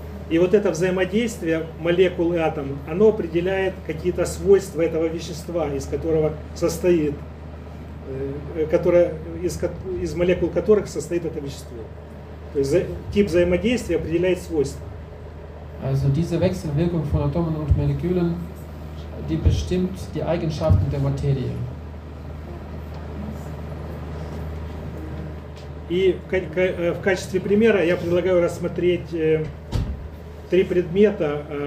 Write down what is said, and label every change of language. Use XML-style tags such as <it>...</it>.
<ru>И вот это взаимодействие молекул и атомов, оно определяет какие-то свойства этого вещества, из которого состоит, которое, из молекул которых состоит это вещество. То есть тип взаимодействия определяет свойства.</ru> <de>Also diese Wechselwirkung von Atomen und Molekülen, die bestimmt die Eigenschaften der Materie.</de> <ru>И в качестве примера я предлагаю рассмотреть три предмета.</ru>